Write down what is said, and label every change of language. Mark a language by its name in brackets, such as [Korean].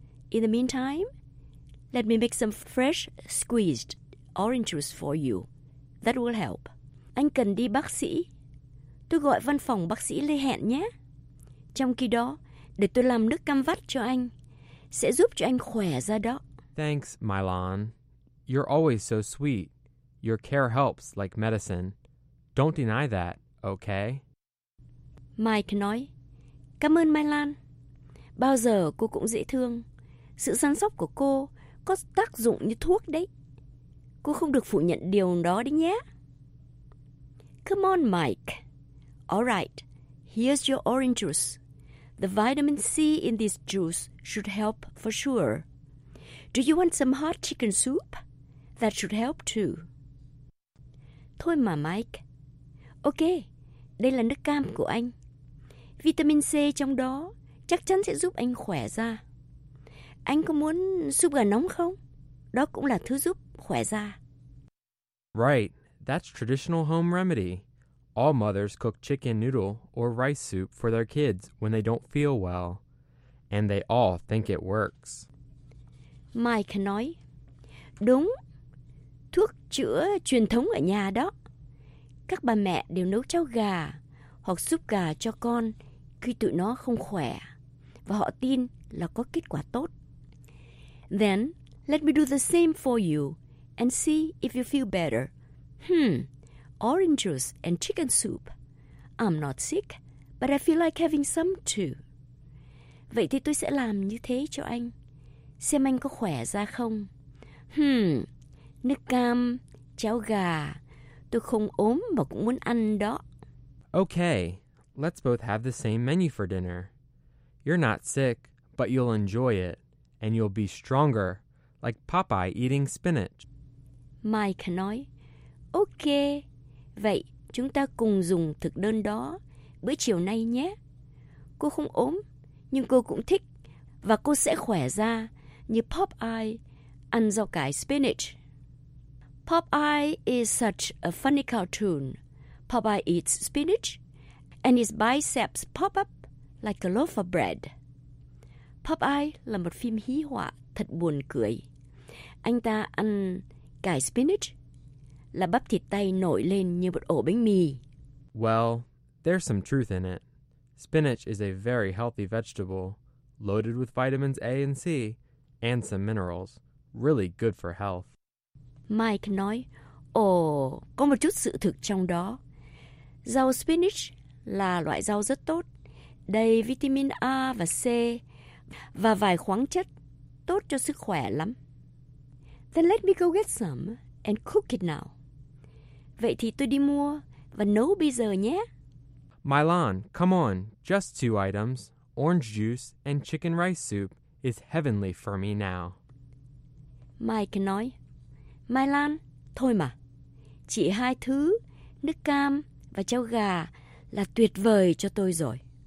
[English] In the meantime, let me make some fresh squeezed orange juice for you. That will help. [Vietnamese] Anh cần đi bác sĩ. Tôi gọi văn phòng bác sĩ lên hẹn nhé. Trong khi đó, để tôi làm nước cam vắt cho anh, sẽ giúp cho anh khỏe ra đó. [English] Thanks, Mylon. You're always so sweet. Your care helps like medicine. Don't deny that, okay? [Vietnamese] Mike nói, cảm ơn Mai Lan. Bao giờ cô cũng dễ thương. Sự săn sóc của cô có tác dụng như thuốc đấy. Cô không được phủ nhận điều đó đấy nhé. [English] Come on, Mike. All right, here's your orange juice. The vitamin C in this juice should help for sure. Do you want some hot chicken soup? That should help too. [Vietnamese] Thôi mà Mike. Ok, đây là nước cam của anh. Vitamin C trong đó chắc chắn sẽ giúp anh khỏe da. Anh có muốn súp gà nóng không? Đó cũng là thứ giúp khỏe da. [English] Right, that's traditional home remedy. All mothers cook chicken noodle or rice soup for their kids when they don't feel well. And they all think it works. [Vietnamese] Mike nói, đúng. Thuốc chữa truyền thống ở nhà đó. Các bà mẹ đều nấu cháo gà hoặc súp gà cho con khi tụi nó không khỏe, và họ tin là có kết quả tốt. [English] Then, let me do the same for you and see if you feel better. Orange juice and chicken soup. I'm not sick, but I feel like having some too. [Vietnamese] Vậy thì tôi sẽ làm như thế cho anh. Xem anh có khỏe ra không. Nước cam, cháo gà. Tôi không ốm mà cũng muốn ăn đó. [English] Okay, let's both have the same menu for dinner. You're not sick, but you'll enjoy it. And you'll be stronger, like Popeye eating spinach. [Vietnamese] Mike nói, okay, vậy chúng ta cùng dùng thực đơn đó bữa chiều nay nhé. Cô không ốm, nhưng cô cũng thích, và cô sẽ khỏe ra như Popeye ăn rau cải spinach. [English] Popeye is such a funny cartoon. Popeye eats spinach, and his biceps pop up like a loaf of bread. [Vietnamese] Popeye là một phim hí họa thật buồn cười. Anh ta ăn cải spinach, là bắp thịt tay nổi lên như một ổ bánh mì. [English] Well, there's some truth in it. Spinach is a very healthy vegetable, loaded with vitamins A and C, and some minerals. Really good for health. [Vietnamese] Mike nói, có một chút sự thực trong đó. Rau spinach là loại rau rất tốt, đầy vitamin A và C, và vài khoáng chất tốt cho sức khỏe lắm. [English] Then let me go get some and cook it now. [Vietnamese] Vậy thì tôi đi mua và nấu bây giờ nhé. [English] Mylon, come on, just two items, orange juice and chicken rice soup is heavenly for me now. [Vietnamese] Mike nói, Mylon, thôi mà, chỉ hai thứ, nước cam và cháo gà là tuyệt vời cho tôi rồi.